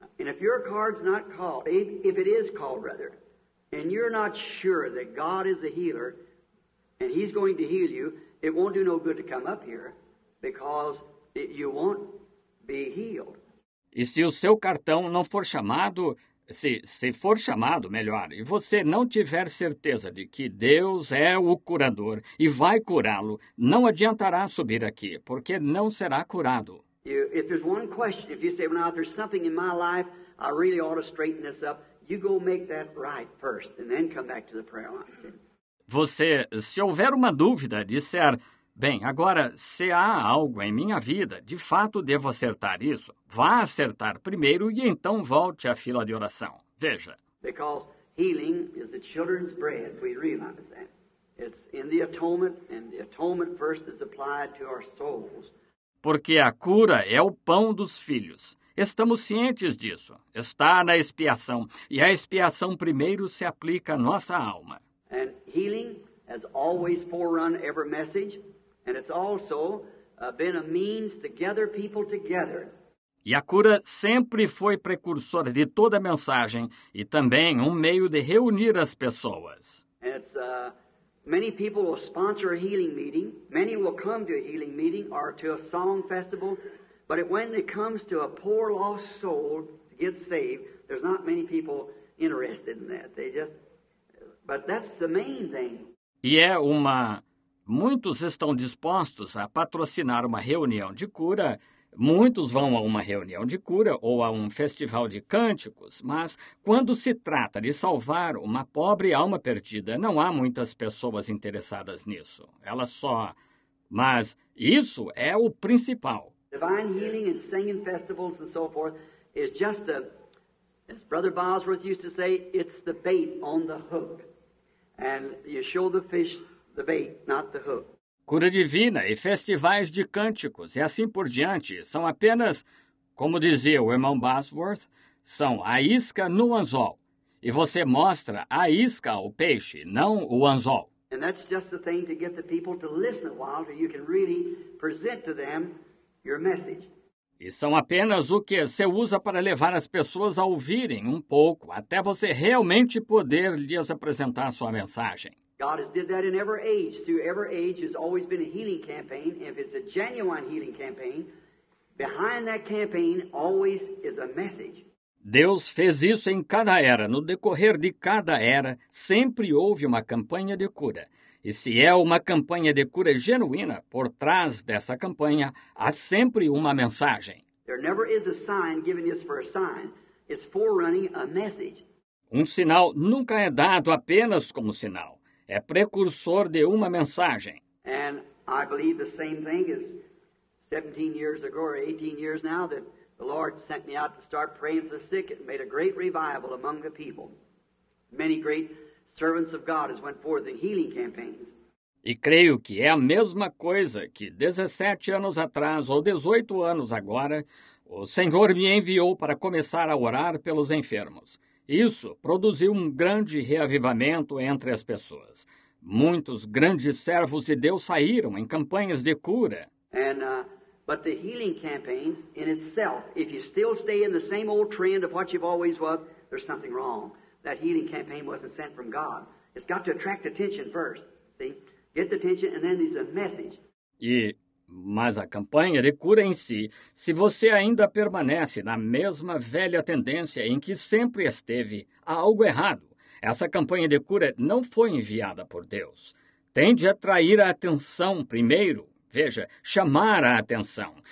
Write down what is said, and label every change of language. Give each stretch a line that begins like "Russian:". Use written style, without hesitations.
Portuguese: E se sua carta não é chamada, se ela é chamada, e você não está seguro de que Deus é um curador e Ele vai te curar, não vai fazer nada de bom vir aqui, porque você não... E se o seu cartão não for chamado, se for chamado, melhor, e você não tiver certeza de que Deus é o curador e vai curá-lo, não adiantará subir aqui, porque não será curado.
English: If there's one question, if you say, well, now, if there's something in my life, I really ought to straighten this up, you go make that right first, and then come back to the prayer line.
Portuguese: Você, se houver uma dúvida, disser... Bem, agora, se há algo em minha vida, de fato devo acertar isso. Vá acertar primeiro e então volte à fila de oração. Veja.
English: Because healing is the children's bread, we realize that. It's in the atonement, and the atonement first is applied to our souls.
Portuguese: Porque a cura é o pão dos filhos. Estamos cientes disso. Está na expiação, e a expiação primeiro se aplica à nossa alma.
English: And healing has always forerun every message. And it's also been a means to gather people together.
Portuguese: E a cura sempre foi precursor de toda a mensagem e também um meio de reunir as pessoas.
English: It's many people will sponsor a healing meeting. Many will come to a healing meeting or to a song festival. But when it comes to a poor lost soul to get saved, there's not many people interested in that. But that's the main thing.
Portuguese: E é uma... Muitos estão dispostos a patrocinar uma reunião de cura, muitos vão a uma reunião de cura ou a um festival de cânticos, mas quando se trata de salvar uma pobre alma perdida, não há muitas pessoas interessadas nisso. Elas só... Mas isso é o principal.
English: Divine healing and singing festivals and so forth is just a... As Brother Bosworth used to say, it's the bait on the hook. And you show the fish... The bait, not the hook.
Portuguese: Cura divina e festivais de cânticos e assim por diante são apenas, como dizia o irmão Bosworth, são a isca no anzol. E você mostra a isca ao peixe, não o anzol.
English: And that's just the thing to get the people to listen a while so you can really present to them your message.
Portuguese: E são apenas o que você usa para levar as pessoas a ouvirem um pouco, até você realmente poder lhes apresentar a sua mensagem.
English: God has did that in every age. Through every age has always been a healing campaign. And if it's a genuine healing campaign, behind that campaign always is a message.
Portuguese: Deus fez isso em cada era. No decorrer de cada era, sempre houve uma campanha de cura. E se é uma campanha de cura genuína, por trás dessa campanha, há sempre uma mensagem.
English: There never is a sign given just for a sign. It's forerunning a message.
Portuguese: Um sinal nunca é dado apenas como sinal. É precursor de uma mensagem.
English: And I believe the same thing is 17 years ago or 18 years now that the Lord sent me out to start praying for the sick and made a great revival among the people. Many great servants of God has went forth in healing campaigns.
Portuguese: E creio que é a mesma coisa que 17 anos atrás ou 18 anos agora, o Senhor me enviou para começar a orar pelos enfermos. Isso produziu um grande reavivamento entre as pessoas. Muitos grandes servos de Deus saíram em campanhas de cura.
English: But the healing campaigns in itself, if you still stay in the same old trend of what you've always was, there's something wrong. That healing campaign wasn't sent from God. It's got to attract attention first. See? Get the attention and then there's a message.
Portuguese: Mas a campanha de cura em si, se você ainda permanece na mesma velha tendência em que sempre esteve, há algo errado. Essa campanha de cura não foi enviada por Deus. Tende a atrair a atenção primeiro, veja, chamar a atenção.